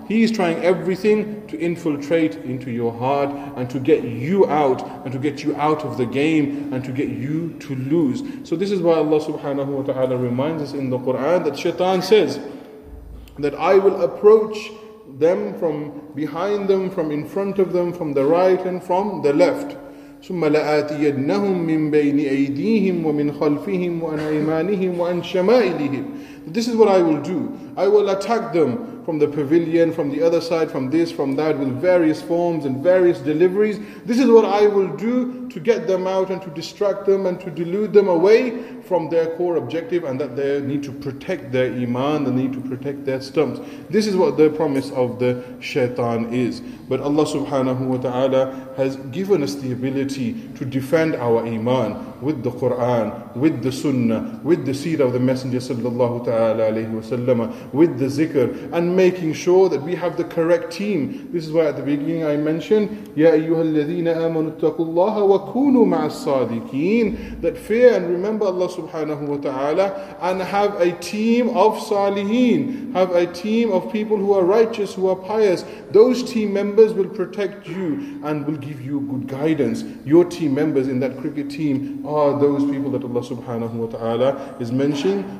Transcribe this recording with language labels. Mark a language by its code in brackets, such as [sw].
[en] He is trying everything to infiltrate into your heart and to get you out, and to get you out of the game, and to get you to lose. So this is why Allah subhanahu wa ta'ala reminds us in the Quran that shaitan says that I will approach them from behind them, from in front of them, from the right and from the left. [ar] ثم لآتينهم من بين أيديهم ومن خلفهم وعن أيمانهم وعن شمائلهم. [en] This is what I will do. I will attack them from the pavilion, from the other side, from this, from that, with various forms and various deliveries. This is what I will do to get them out and to distract them and to delude them away from their core objective, and that they need to protect their iman, they need to protect their stumps. This is what the promise of the shaitan is. But Allah subhanahu wa ta'ala has given us the ability to defend our iman with the Quran, with the sunnah, with the seed of the Messenger sallallahu ta'ala alayhi wa sallam, with the zikr, and making sure that we have the correct team. This is why at the beginning I mentioned, [ar] يَا أَيُّهَا الَّذِينَ آمَنُوا اتَّقُوا اللَّهَ وَكُونُوا مَعَ الصَّادِقِينَ. [en] That fear and remember Allah subhanahu wa ta'ala, and have a team of salihin, have a team of people who are righteous, who are pious. Those team members will protect you and will give you good guidance. Your team members in that cricket team are those people that Allah subhanahu wa ta'ala is mentioning.